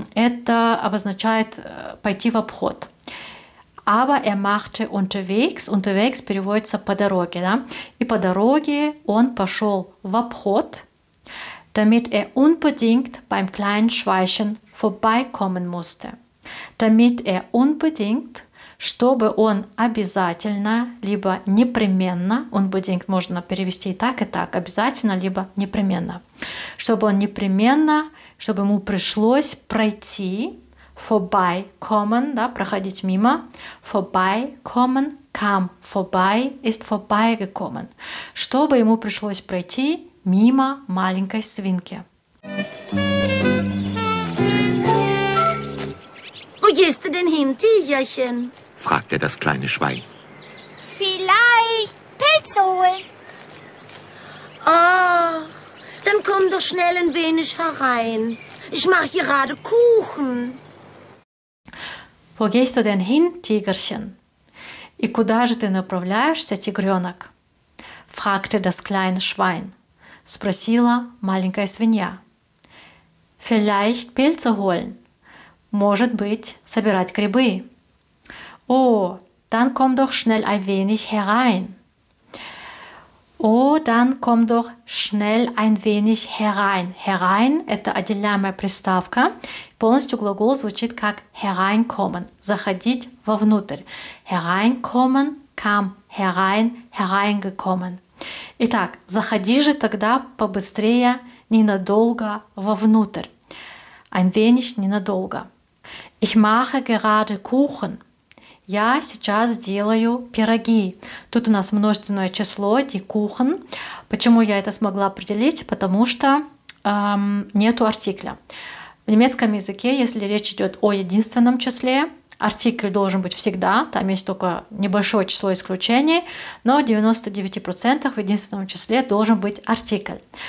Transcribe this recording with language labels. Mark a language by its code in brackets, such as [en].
[ru] Это обозначает «пойти в обход». [de] Aber er machte unterwegs. [ru] Unterwegs переводится «по дороге». Да? И по дороге он пошел в обход, [de] damit er unbedingt beim kleinen Schweinchen vorbeikommen musste. Damit er unbedingt, [ru] чтобы он обязательно, либо непременно, unbedingt можно перевести и так, обязательно, либо непременно, чтобы он непременно, чтобы ему пришлось пройти, vorbeikommen, да, проходить мимо, vorbeikommen, [de] kam vorbei, ist vorbeigekommen, [ru] чтобы ему пришлось пройти мимо маленькой свинки. [de] Wo gehst du denn hin, Tigerchen? Fragte das kleine Schwein. Vielleicht Pilze holen. Ah, oh, dann komm doch schnell ein wenig herein. Ich mache gerade Kuchen. Wo gehst du denn hin, Tigerchen? [ru] И куда же ты направляешься, тигренок? [de] Fragte das kleine Schwein. [ru] Спросила маленькая свинья. [de] Vielleicht Pilze holen. [ru] Может быть, собирать грибы. [de] О, dann komm doch schnell ein wenig herein. О, dann komm doch schnell ein wenig herein. [ru] Herein – это отделяемая приставка. Полностью глагол звучит как hereinkommen. Заходить вовнутрь. [de] Hereinkommen, kam, herein, hereingekommen. [ru] Итак, заходи же тогда побыстрее, ненадолго, вовнутрь. [de] Ein wenig, ненадолго. Ich mache gerade Kuchen. [ru] Я сейчас делаю пироги. Тут у нас множественное число, die Kuchen. Почему я это смогла определить? Потому что нету артикля. В немецком языке, если речь идет о единственном числе, артикль должен быть всегда, там есть только небольшое число исключений, но в 99% в единственном числе должен быть артикль.